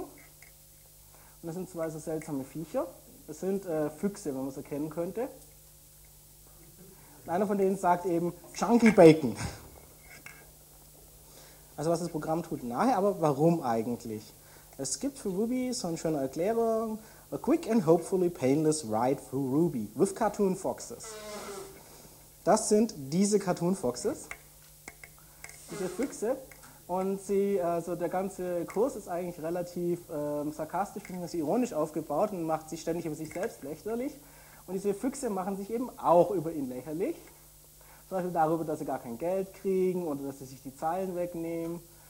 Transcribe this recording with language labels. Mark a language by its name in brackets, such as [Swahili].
[German] Und das sind zwei so seltsame Viecher. Das sind Füchse, wenn man es erkennen könnte. Und einer von denen sagt eben Chunky Bacon. Also was das Programm tut nachher, aber warum eigentlich? Es gibt für Ruby so eine schöne Erklärung. [English] A quick and hopefully painless ride through Ruby with Cartoon Foxes. [German] Das sind diese Cartoon Foxes, diese Füchse. Und sie, also der ganze Kurs ist eigentlich relativ sarkastisch, beziehungsweise ironisch aufgebaut und macht sich ständig über sich selbst lächerlich. Und diese Füchse machen sich eben auch über ihn lächerlich. Zum Beispiel darüber, dass sie gar kein Geld kriegen oder dass sie sich die Zeilen wegnehmen.